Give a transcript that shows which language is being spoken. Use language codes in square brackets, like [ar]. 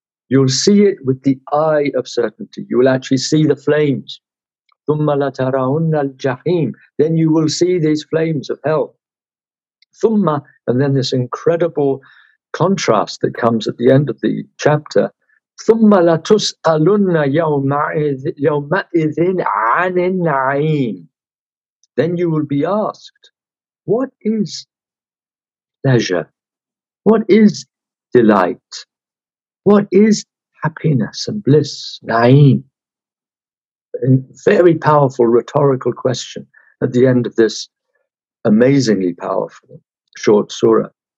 [en] You'll see it with the eye of certainty. You will actually see the flames. [ar] ثم لترون الجحيم. [en] Then you will see these flames of hell. ثم, and then this incredible contrast that comes at the end of the chapter. [ar] ثم لتسألن يومئذ عن النعيم. [en] Then you will be asked, what is pleasure? What is delight? What is happiness and bliss? Na'im. A very powerful rhetorical question at the end of this amazingly powerful short surah.